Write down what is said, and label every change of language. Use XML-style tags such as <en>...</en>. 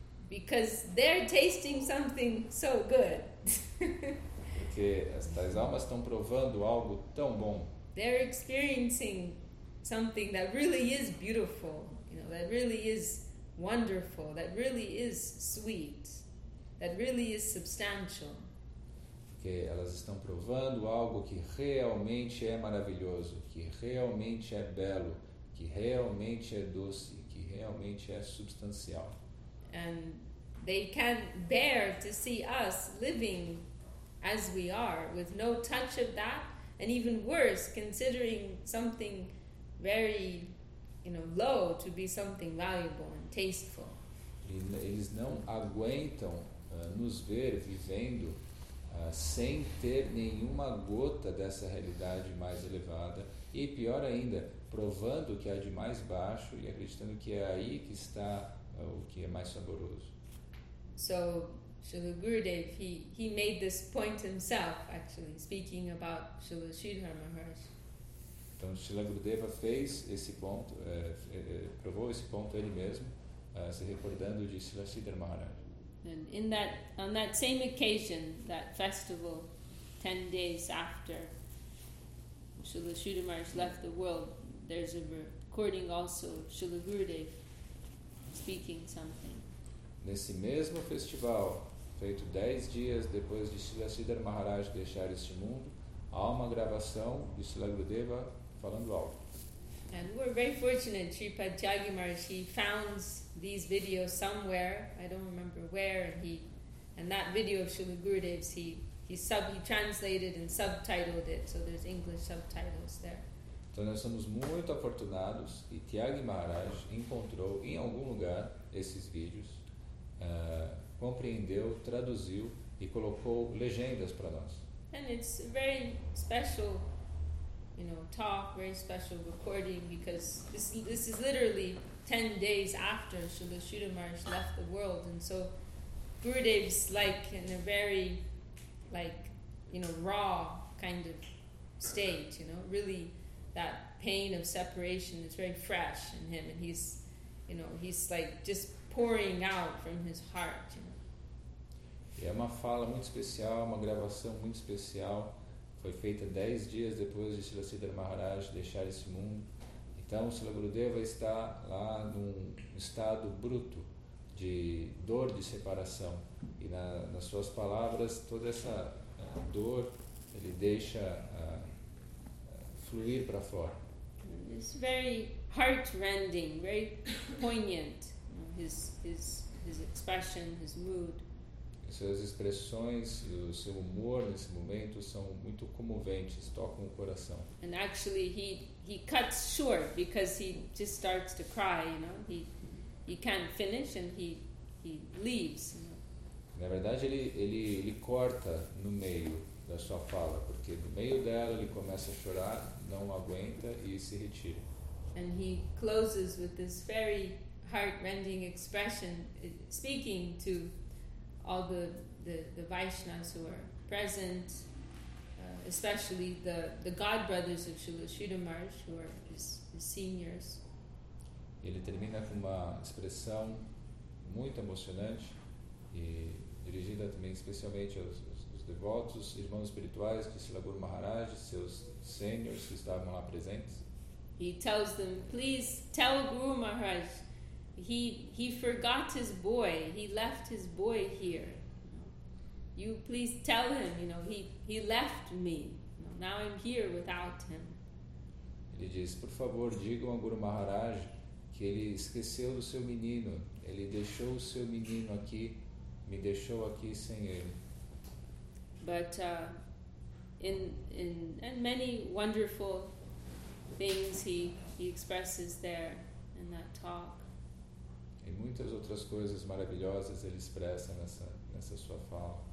<en>Because they're tasting something so good.</en> <pt>Porque estas almas estão provando algo tão bom.</pt> <en>They're experiencing something that really is beautiful, that really is wonderful, that really is sweet, that really is substantial.</en> <pt>Porque elas estão provando algo que realmente é maravilhoso, que realmente é belo, que realmente é doce, que realmente é substancial.</pt> <en>and they can't bear to see us living as we are, with no touch of that, and even worse, considering something very, low to be something valuable and tasteful.</en> <pt>Eles não aguentam nos ver vivendo sem ter nenhuma gota dessa realidade mais elevada e, pior ainda, provando que há de mais baixo e acreditando que é aí que está o que é mais saboroso.</pt> <en>So Srila Gurudev, he made this point himself, actually, speaking about Srila Sridhar Maharaj.</en> <pt>Então, Srila Gurudeva fez esse ponto, provou esse ponto ele mesmo, se recordando de Srila Sridhar Maharaj.</pt> <en>And in that, on that same occasion, that festival, 10 days after Srila Sridhar Maharaj left the world, there's a recording also of Srila Gurudev speaking something.</en> <pt>Nesse mesmo festival, feito 10 dias depois de Srila Sridhara Maharaj deixar este mundo, há uma gravação de Srila Gurudeva falando algo.</pt> <en>And we're very fortunate, Sripad Tyagi Maharaj, he found these videos somewhere, I don't remember where, and he, and that video of Srila Gurudev's, he translated and subtitled it, so there's English subtitles there.</en> <pt>Então nós somos muito afortunados e Tyagi Maharaj encontrou em algum lugar esses vídeos, compreendeu, traduziu e colocou legendas para nós.</pt> <en>And it's a very special, you know, talk, very special recording, because this is literally 10 days after Srila Sridhara Maharaj left the world, and so Gurudev's like in a very, like, you know, raw kind of state, you know, really that pain of separation is very fresh in him, and he's, you know, he's like just pouring out from his heart, you know.</en> <pt>E é uma fala muito especial, uma gravação muito especial, foi feita 10 dias depois de Srila Sridhara Maharaj deixar esse mundo. Então, Srila Gurudeva está lá num estado bruto de dor de separação. E nas suas palavras, toda essa dor, ele deixa fluir para fora.</pt> <en>It's very heart-rending, very poignant, his expression, his mood.</en> <pt>Suas expressões e o seu humor nesse momento são muito comoventes, tocam o coração.</pt> <en>And actually he cuts short because he just starts to cry, you know. He can't finish and he leaves, you know?</en> <pt>Na verdade ele corta no meio da sua fala, porque no meio dela ele começa a chorar, não aguenta e se retira.</pt> <en>And he closes with this very heart-rending expression, speaking to all the Vaishnavas who are present, especially the god brothers of Srila Sridhara Maharaj, who are his seniors.</en> <pt>Ele termina com uma expressão muito emocionante e dirigida também especialmente aos devotos, irmãos espirituais de Srila Guru Maharaj, seus seniors que estavam lá presentes.</pt> <en>He tells them, please tell Guru Maharaj, He forgot his boy. He left his boy here. You please tell him, you know, he left me. Now I'm here without him.</en> <pt>Ele diz, por favor, diga ao Guru Maharaj que ele esqueceu do seu menino. Ele deixou o seu menino aqui, me deixou aqui sem ele.</pt> <en>But in many wonderful things he expresses there in that talk.</en> <pt>E muitas outras coisas maravilhosas ele expressa nessa sua fala.</pt>